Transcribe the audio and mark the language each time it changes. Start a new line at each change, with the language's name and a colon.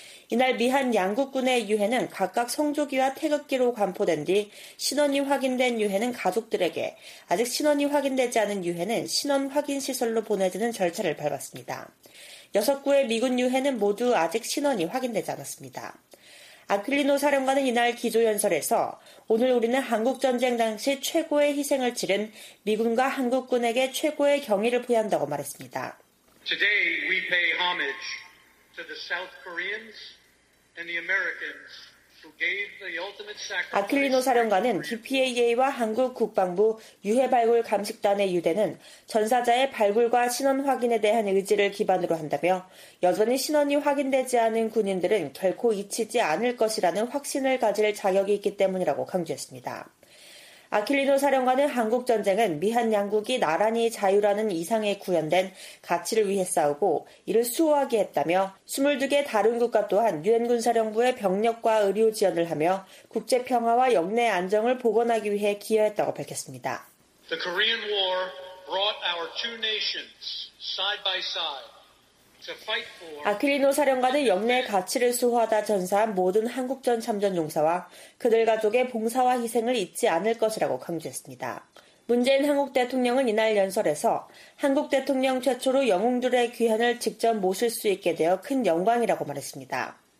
Korean: 이날 미한 양국군의 유해는 각각 성조기와 태극기로 관포된 뒤 신원이 확인된 유해는 가족들에게, 아직 신원이 확인되지 않은 유해는 신원 확인 시설로 보내지는 절차를 밟았습니다. 6구의 미군 유해는 모두 아직 신원이 확인되지 않았습니다. 아퀼리노 사령관은 이날 기조연설에서 오늘 우리는 한국전쟁 당시 최고의 희생을 치른 미군과 한국군에게 최고의 경의를 표한다고 말했습니다.
English: Today we pay homage to the South Koreans and the Americans who gave the ultimate sacrifice.
Korean: 아퀼리노 사령관은 DPAA와 한국 국방부 유해 발굴 감식단의 유대는 전사자의 발굴과 신원 확인에 대한 의지를 기반으로 한다며 여전히 신원이 확인되지 않은 군인들은 결코 잊히지 않을 것이라는 확신을 가질 자격이 있기 때문이라고 강조했습니다. 아퀼리노 사령관은 한국전쟁은 미한 양국이 나란히 자유라는 이상에 구현된 가치를 위해 싸우고 이를 수호하게 했다며 22개 다른 국가 또한 유엔군사령부의 병력과 의료 지원을 하며 국제평화와 역내 안정을 복원하기 위해 기여했다고 밝혔습니다.
English: The Korean War brought our two nations side by side.
Korean: 아퀼리노 사령관은 역내 가치를 수호하다 전사한 모든 한국전 참전용사와 그들 가족의 봉사와 희생을 잊지 않을 것이라고 강조했습니다. 문재인 한국 대통령은 이날 연설에서 한국 대통령 최초로 영웅들의 귀환을 직접 모실 수 있게 되어 큰 영광이라고 말했습니다.